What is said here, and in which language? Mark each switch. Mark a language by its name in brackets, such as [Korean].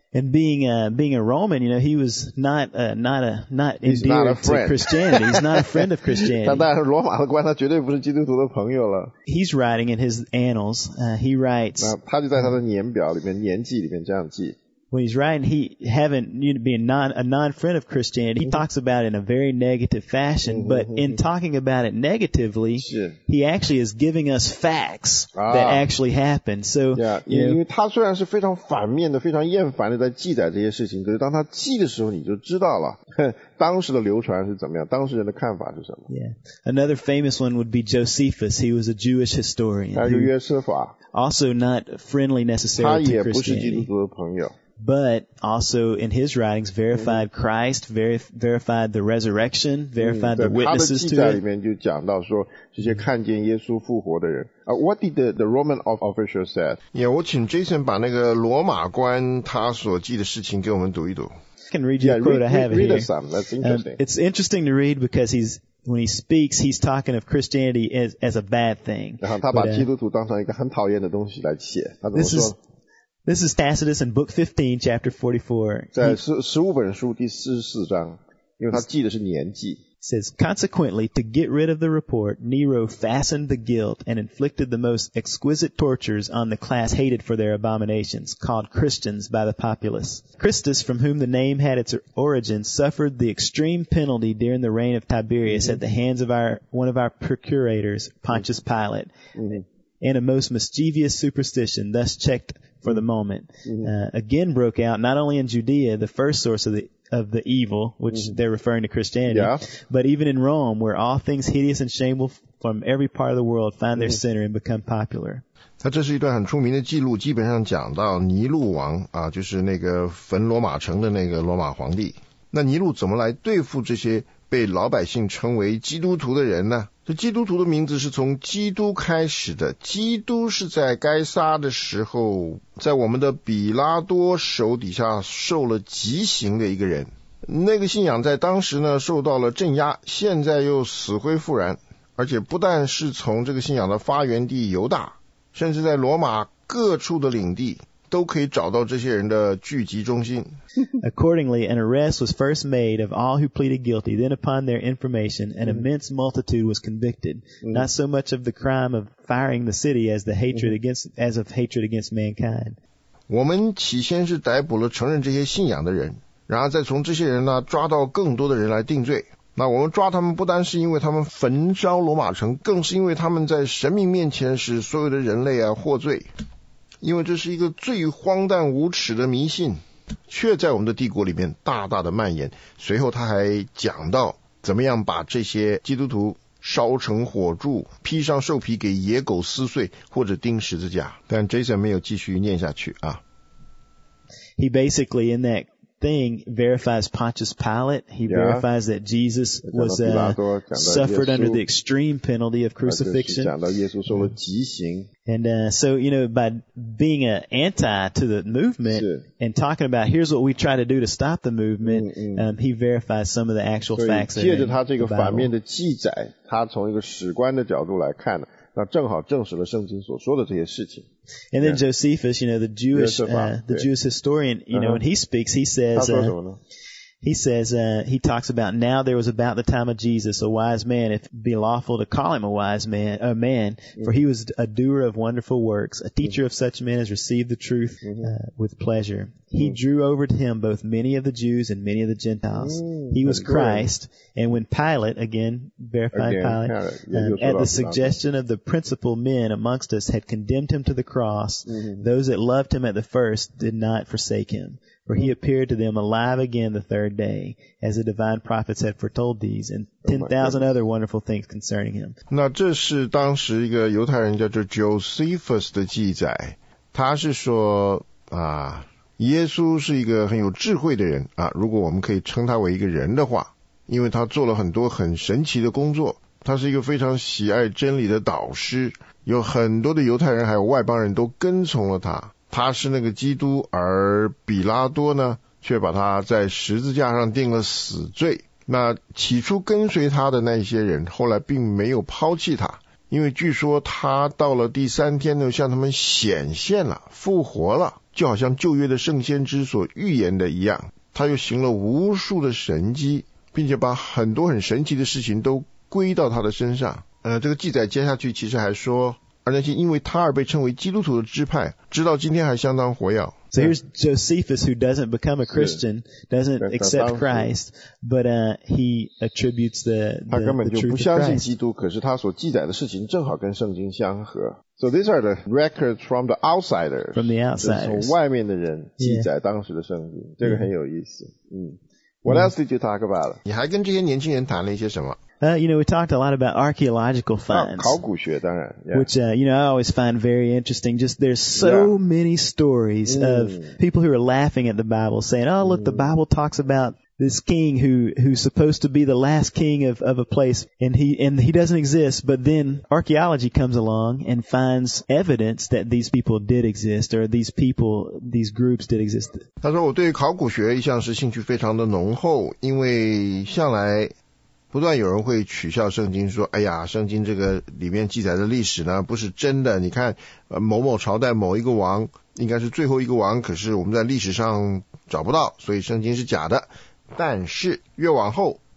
[English] and being a Roman, he was not endeared to Christianity. He's not a friend of Christianity. [Chinese] 但当然是罗马的官，他绝对不是基督徒的朋友了。 [English] He's writing in his annals. He writes. [Chinese] 他就在他的年表里面年记里面这样记。 [English] When he's writing, being a non-friend of Christianity, he talks about it in a very negative fashion, but in talking about it negatively, he actually is giving us facts that actually happened. So, another famous one would be Josephus. He was a Jewish historian. Also not friendly necessarily to Christianity. But also in his writings, verified Christ, verified the resurrection, verified the witnesses to it. [Chinese] 他的记载里面就讲到说，这些看见耶稣复活的人。 [English] What did the Roman official say? [Chinese] Yeah, 我请Jason把那个罗马官他所记的事情给我们读一读。 [English] I can read you a quote I have here. Read us some, that's interesting. It's interesting to read because when he speaks, he's talking of Christianity as a bad thing. [Chinese] 然后他把基督徒当成一个很讨厌的东西来写，他怎么说？ [English] This is Tacitus in Book 15, Chapter 44. [Chinese] 在十五本书第44章, 因为他记的是年纪。 [English] It says, consequently, to get rid of the report, Nero fastened the guilt and inflicted the most exquisite tortures on the class hated for their abominations, called Christians by the populace. Christus, from whom the name had its origin, suffered the extreme penalty during the reign of Tiberius at the hands of one of our procurators, Pontius Pilate, and a most mischievous superstition thus checked for the moment. Again broke out, not only in Judea, the first source of the evil, which they're referring to Christianity, but even in Rome, where all things hideous and shameful from every part of the world find their center and become popular. [Chinese] 那这是一段很出名的记录，基本上讲到尼禄王啊，就是那个焚罗马城的那个罗马皇帝。那尼禄怎么来对付这些被老百姓称为基督徒的人呢？这基督徒的名字是从基督开始的，基督是在该撒的时候，在我们的比拉多手底下受了极刑的一个人。那个信仰在当时呢受到了镇压，现在又死灰复燃，而且不但是从这个信仰的发源地犹大，甚至在罗马各处的领地都可以找到这些人的聚集中心。 [English] Accordingly, an arrest was first made of all who pleaded guilty. Then upon their information, an immense multitude was convicted, not so much of the crime of firing the city as the hatred against, as of hatred against mankind. [Chinese] 我们起先是逮捕了承认这些信仰的人，然后再从这些人呢抓到更多的人来定罪。那我们抓他们不单是因为他们焚烧罗马城，更是因为他们在神明面前使所有的人类啊获罪。因为这是一个最荒诞无耻的迷信，却在我们的帝国里面大大的蔓延。随后他还讲到怎么样把这些基督徒烧成火柱，披上兽皮给野狗撕碎，或者钉十字架。但 Jason 没有继续念下去啊。 [English] He basically in that thing verifies Pontius Pilate. He verifies that Jesus was suffered under the extreme penalty of crucifixion. [Chinese] 讲到耶稣受了极刑。 [English] And so, you know, by being an anti to the movement and talking about here's what we try to do to stop the movement, he verifies some of the actual facts. [Chinese] 借着他这个反面的记载，他从一个史观的角度来看，那正好证实了圣经所说的这些事情。 [English] And then Josephus, you know, the Jewish, the Jewish historian, you know, when he speaks, he says, he talks about now there was about the time of Jesus, a wise man, if it be lawful to call him a wise man, a man, for he was a doer of wonderful works, a teacher of such men as received the truth with pleasure. He drew over to him both many of the Jews and many of the Gentiles. He was Christ, and when Pilate, again, verifying Pilate, at the suggestion of the principal men amongst us had condemned him to the cross, those that loved him at the first did not forsake him. For he appeared to them alive again the third day, as the divine prophets had foretold these, and 10,000 other wonderful things concerning him. [Chinese] 那这是当时一个犹太人叫做 Josephus 的记载，他是说啊，耶稣是一个很有智慧的人啊，如果我们可以称他为一个人的话，因为他做了很多很神奇的工作，他是一个非常喜爱真理的导师，有很多的犹太人还有外邦人都跟从了他。他是那个基督，而比拉多呢，却把他在十字架上定了死罪。那起初跟随他的那些人，后来并没有抛弃他，因为据说他到了第三天呢，向他们显现了，复活了，就好像旧约的圣先知所预言的一样。他又行了无数的神迹，并且把很多很神奇的事情都归到他的身上。这个记载接下去其实还说，而那些因为他而被称为基督徒的支派，直到今天还相当活跃。 [English] So here's Josephus who doesn't become a Christian, doesn't accept Christ, but he attributes the truth to Christ. [Chinese] 他根本就不相信基督，可是他所记载的事情正好跟圣经相合。 [English] So these are the records from the outsiders, from the outsiders, [Chinese] 从外面的人记载当时的圣经，这个很有意思。 [English] What else did you talk about? [Chinese] 你还跟这些年轻人谈了一些什么？ [English] You know, we talked a lot about archaeological finds, [Chinese] 考古学当然 [English] which, you know, I always find very interesting. Just there's so many stories of people who are laughing at the Bible, saying, oh, look, the Bible talks about this king who's supposed to be the last king of a place, and he doesn't exist. But then archaeology comes along and finds evidence that these people did exist, or these groups did exist. [Chinese] 他说我对考古学一向是兴趣非常的浓厚，因为向来不断有人会取笑圣经，说哎呀，圣经这个里面记载的历史呢不是真的，你看某某朝代某一个王应该是最后一个王，可是我们在历史上找不到，所以圣经是假的。但是越往后